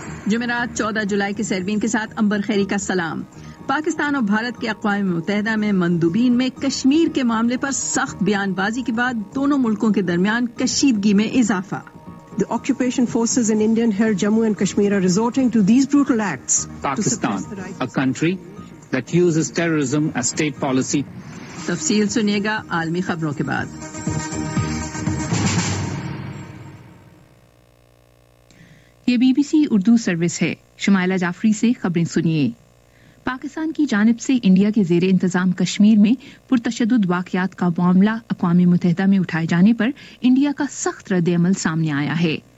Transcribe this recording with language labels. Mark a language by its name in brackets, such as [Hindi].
[Urdu] جمعرات 14 جولائی کے سیروین کے ساتھ امبر خیری کا سلام. پاکستان اور بھارت کے اقوام متحدہ میں مندوبین میں کشمیر کے معاملے پر سخت بیان بازی کے بعد دونوں ملکوں کے درمیان کشیدگی میں اضافہ. [English] The occupation forces in Indian held Jammu and Kashmir are resorting to these brutal acts. Pakistan, a country that uses terrorism as state policy. [Urdu] تفصیل سنیے گا عالمی خبروں کے بعد. یہ be B C Urdu service ہے. شمائلہ جعفری سے خبریں سنیے. پاکستان کی جانب سے انڈیا کے زیر انتظام کشمیر میں پرتشدد واقعات کا معاملہ اقوام متحدہ میں اٹھائے جانے پر انڈیا کا سخت رد عمل سامنے آیا ہے.